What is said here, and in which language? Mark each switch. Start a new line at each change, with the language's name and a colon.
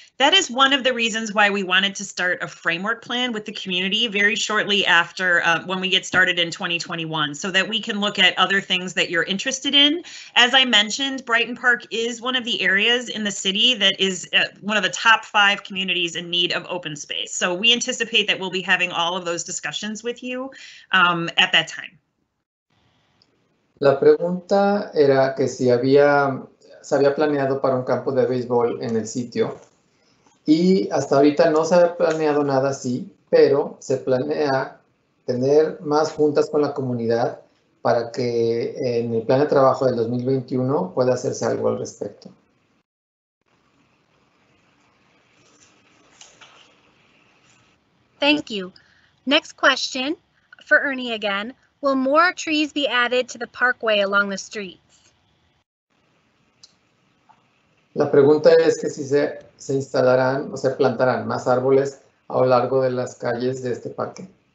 English: That is one of the reasons why we wanted to start a framework plan with the community very shortly after when we get started in 2021, so that we can look at other things that you're interested in. As I mentioned, Brighton Park is one of the areas in the city that is one of the top five communities in need of open space. So we anticipate that we'll be having all of those discussions with you at that time.
Spanish: La pregunta era que si había, se había planeado para un campo de béisbol en el sitio y hasta ahorita no se ha planeado nada así, pero se planea tener más juntas con la comunidad para que en el plan de trabajo del 2021 pueda hacerse algo al respecto.
English: Thank you. Next question for Ernie again. Will more trees be added to the parkway along the streets?
Spanish: La pregunta es que si se instalarán o se plantarán más árboles a lo largo de las calles de este parque.